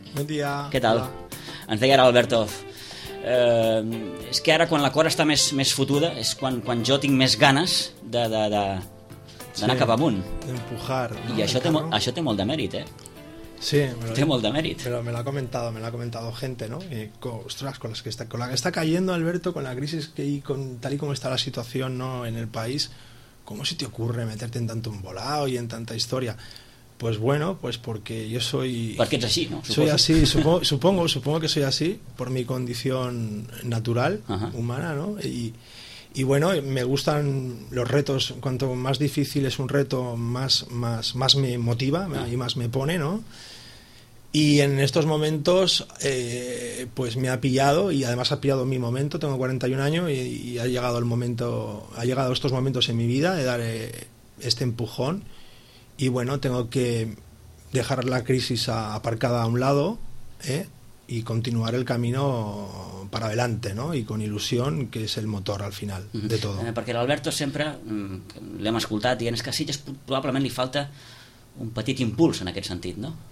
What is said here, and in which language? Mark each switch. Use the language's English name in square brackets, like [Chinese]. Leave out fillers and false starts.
[Catalan] Bon dia. Què tal? Hola. Ens deia ara Alberto. És que ara, quan la cor està més fotuda, és quan jo tinc més ganes de d'anar, sí, cap amunt. [Spanish] D'empujar. [Catalan] No? I això té molt de mèrit, eh? Sí. Té molt de mèrit. Però [Spanish] me l'ha comentado gente, ¿no? Ostras, con la que está cayendo, Alberto, con la crisis que hay, tal y como está la situación, ¿no?, en el país, ¿cómo se te ocurre meterte en tanto embolado y en tanta historia? Pues bueno, pues porque yo soy... Porque [Catalan] ets així, ¿no? [Spanish] Soy así, supongo que soy así, por mi condición natural, ajá, humana, ¿no? Y bueno, me gustan los retos. Cuanto más difícil es un reto, más me motiva y más me pone, ¿no? Y en estos momentos, pues me ha pillado, y además ha pillado mi momento. Tengo 41 años y ha llegado el momento, ha llegado estos momentos en mi vida de dar este empujón. Y bueno, tengo que dejar la crisis aparcada a un lado, ¿eh?, y continuar el camino para adelante, ¿no?, y con ilusión, que es el motor al final de todo. [Catalan] Perquè l'Alberto sempre l'hem escoltat i és que a Sitges probablement li falta un petit impuls en aquest sentit, ¿no?